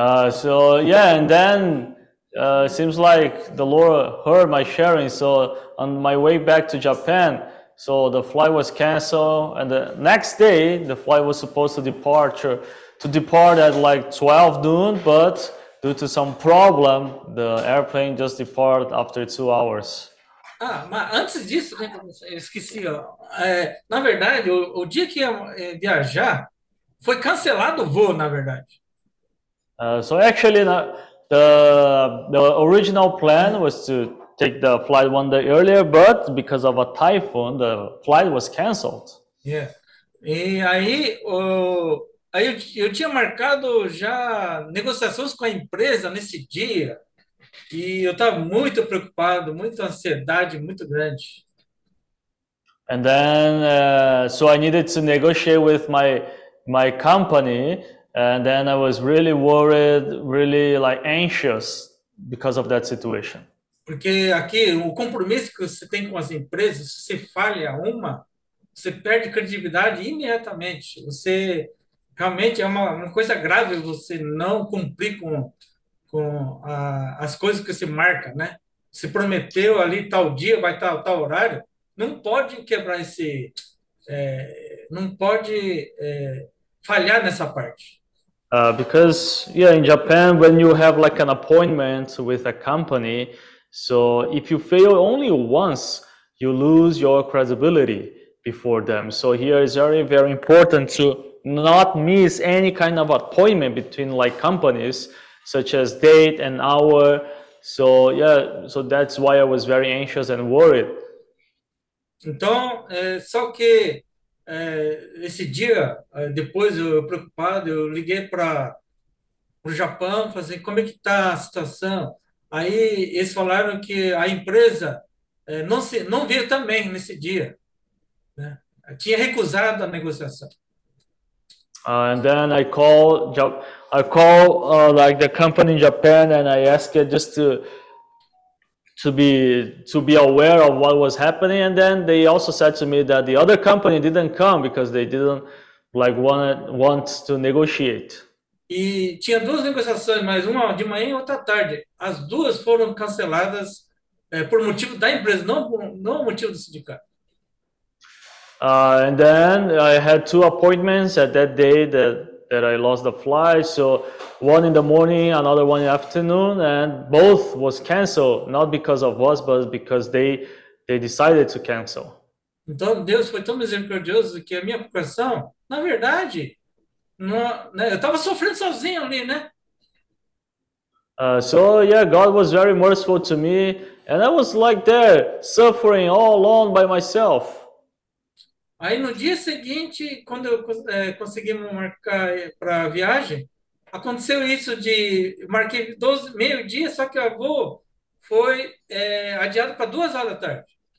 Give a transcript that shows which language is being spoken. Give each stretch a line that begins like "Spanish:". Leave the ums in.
English: so yeah and then uh, seems like the Lord heard my sharing so on my way back to Japan so the flight was canceled and the next day the flight was supposed to depart to depart at like 12 noon but due to some problem the airplane just departed after two hours
Portuguese: Ah, mas antes disso, eu esqueci. É, na verdade, o, o dia que ia viajar, foi cancelado o voo, na verdade.
English: Uh, so actually, uh, The, the original plan was to take the flight one day earlier, but because of a typhoon, the flight was canceled. Yeah.
Portuguese: E aí, o, oh, aí eu, eu tinha marcado já negociações com a empresa nesse dia. E eu estava muito preocupado, muita ansiedade, muito grande.
English: And then, uh, so I needed to negotiate with my my company, and then I was really worried, really like anxious because of that situation.
Portuguese: Porque aqui o compromisso que você tem com as empresas, se você falha uma, você perde credibilidade imediatamente. Você realmente é uma, uma coisa grave você não cumprir com outro com a, as coisas que se marca, né? Se prometeu ali tal dia, vai tal, tal horário, não pode quebrar esse. É, não pode é, falhar nessa parte.
English: Uh, because, yeah, in Japan, when you have like an appointment with a company, so if you fail only once, you lose your credibility before them. So here is very, very important to not miss any kind of appointment between like companies. such as date and hour. So yeah, so that's why I was very anxious and worried.
Portuguese: Então, é, só que é, esse dia é, depois eu, eu preocupado, eu liguei para o Japão, fazer como é que tá a situação. Aí eles falaram que a empresa é, não se não veio também nesse dia, né? tinha recusado a negociação.
English: Uh, and then I call Japão. I call uh, like the company in Japan and I ask it just to to be to be aware of what was happening and then they also said to me that the other company didn't come because they didn't like want want to negotiate.
Portuguese: E tinha duas negociações, mas uma de manhã outra tarde. As duas foram canceladas por motivo da empresa, não não motivo do sindicato.
English: and then I had two appointments at that day that that I lost the flight. So one in the morning, another one in the afternoon, and both was canceled, not because of us, but because they they decided to cancel. Uh, so yeah, God was very merciful to me, and I was like there suffering all alone by myself.
Portuguese: Aí no dia seguinte, quando eu é, conseguimos marcar para a viagem, aconteceu isso de marquei 12, meio dia, só que o voo foi é, adiado para duas horas da tarde.